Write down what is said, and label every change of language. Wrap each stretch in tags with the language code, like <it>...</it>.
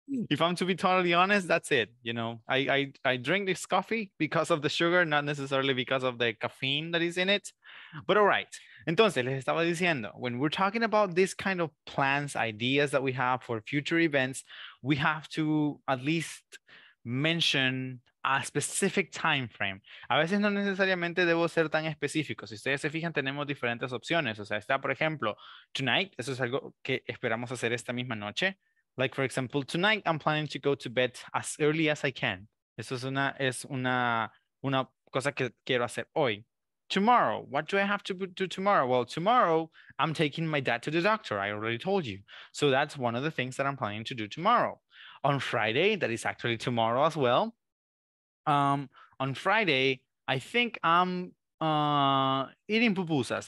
<en>If I'm to be totally honest, that's it. You know, I drink this coffee because of the sugar, not necessarily because of the caffeine that is in it. But all right.</en> <es>Entonces, les estaba diciendo,</es> <en>when we're talking about this kind of plans, ideas that we have for future events, we have to at least... mention a specific time frame.</en> <es>A veces no necesariamente debo ser tan específico. Si ustedes se fijan, tenemos diferentes opciones. O sea, está, por ejemplo, tonight. Eso es algo que esperamos hacer esta misma noche.</es> <en>Like, for example, tonight I'm planning to go to bed as early as I can.</en> <es>Eso es una cosa que quiero hacer hoy.</es> <en>Tomorrow, what do I have to do tomorrow? Well, tomorrow I'm taking my dad to the doctor. I already told you. So that's one of the things that I'm planning to do tomorrow. On Friday, that is actually tomorrow as well. On Friday, I think I'm eating pupusas.</en>